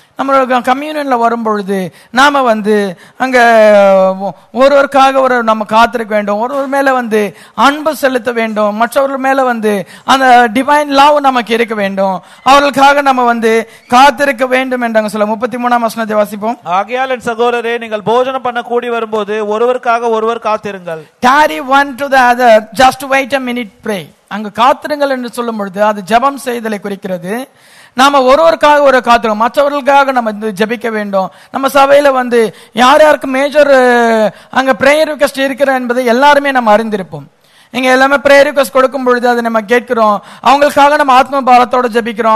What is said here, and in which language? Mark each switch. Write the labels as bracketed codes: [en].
[ta] நம்மளுக்கு கம்யூனியன்ல வரும்பொழுது நாம வந்து அங்க ஒருவருக்காக ஒரு நம்ம காத்திருக்க வேண்டும், ஒருவர் மேல வந்து அன்பு செலுத்த வேண்டும், மற்றவர்கள் மேல வந்து அந்த டிவைன் லவ் நமக்கு இருக்க வேண்டும், அவர்களுக்காக நம்ம வந்து காத்திருக்க வேண்டும் என்று சொல்ல 33 வசனத்தை வாசிப்போம். ஆகையால் என் சகோதரரே, நீங்கள் போஜனம் பண்ண கூடி வரும்போது ஒருவருக்காக ஒருவர் காத்திருங்கள். [en] Tarry one to the other, just wait a minute, pray. [ta] அங்க காத்திருங்கள் என்று சொல்லும் பொழுது அது ஜபம் செய்தலை குறிக்கிறது. நாம ஒருவருக்காக ஒரு காத்திரம், மற்றவர்களுக்காக நம்ம வந்து ஜபிக்க வேண்டும். நம்ம சபையில வந்து யார் யாருக்கு மேஜர் அங்க பிரேயர் ரிக்வஸ்ட் இருக்கிறோம் என்பதை எல்லாருமே நம்ம அறிந்திருப்போம். இங்க எல்லாமே பிரேயர் ரிக்வஸ்ட் கொடுக்கும் பொழுது அதை நம்ம கேட்கிறோம். அவங்களுக்காக நம்ம ஆத்ம பாரத்தோட ஜபிக்கிறோம்.